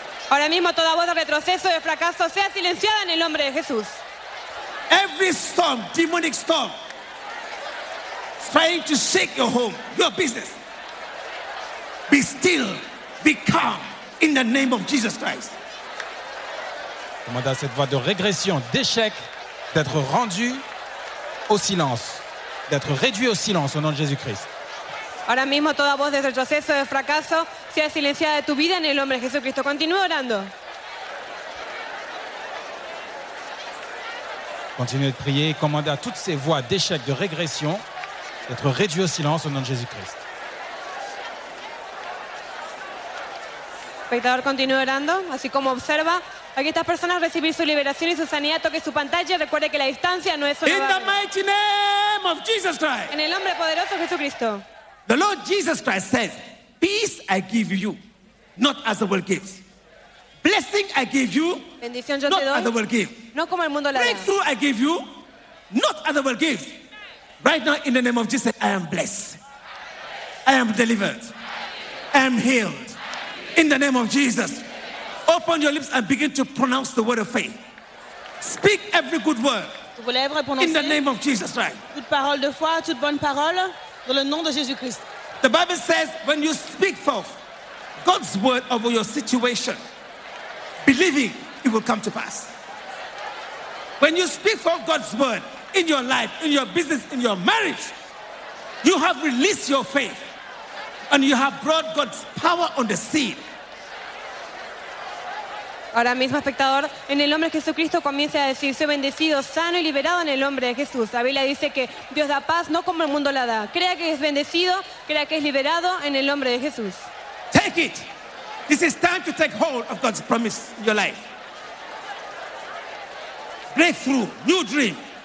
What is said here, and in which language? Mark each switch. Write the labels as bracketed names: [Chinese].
[Spanish] Ahora mismo toda voz de retroceso, de fracaso, sea silenciada en el nombre de Jesús. [English] Every storm, demonic storm, trying to shake your home, your business. Be still, be calm, in the name of Jesus Christ. [French] Commandez à cette voix de régression, d'échec, d'être rendu au silence, d'être réduit au silence au nom de Jésus Christ. [Spanish] Ahora mismo toda voz de retroceso, de fracaso, sea silenciada de tu vida en el nombre de Jesucristo. Continúa orando. Continúe [French] de prier y commande [Spanish] a todas [French] ces voix d'échec, de regresión, d'être réduit au silence au nom de Jesucristo. [Spanish] Espectador, continúe orando. Así como observa, aquí estas personas recibir su liberación y su sanidad. Toque su pantalla y recuerde que la distancia no es una barrera. [English] In the mighty name of Jesus Christ. [Spanish] En el nombre poderoso de Jesucristo. [English] The Lord Jesus Christ says, peace I give you, not as the world gives. Blessing I give you, [Spanish] bendición yo [English] not [Spanish] te doy, [English] as the world gives. [Spanish] No como el mundo la [English] Breakthrough [Spanish] da. [English] I give you, not as the world gives. Right now, in the name of Jesus, I am blessed. I am delivered. I am healed. In the name of Jesus, open your lips and begin to pronounce the word of faith. Speak every good word. In the name of Jesus Christ. [French] Toute parole de foi, toute bonne parole. Dans le nom de Jésus Christ. [English] The Bible says, when you speak forth God's word over your situation, believing it will come to pass. When you speak forth God's word in your life, in your business, in your marriage, you have released your faith and you have brought God's power on the scene. [Spanish] Ahora mismo, espectador, en el nombre de Jesucristo comience a decir, soy bendecido, sano y liberado en el nombre de Jesús. La Biblia dice que Dios da paz, no como el mundo la da. Crea que es bendecido, crea que es liberado en el nombre de Jesús. [English] Take it. This is time to take hold of God's promise in your life. Breakthrough, new dream.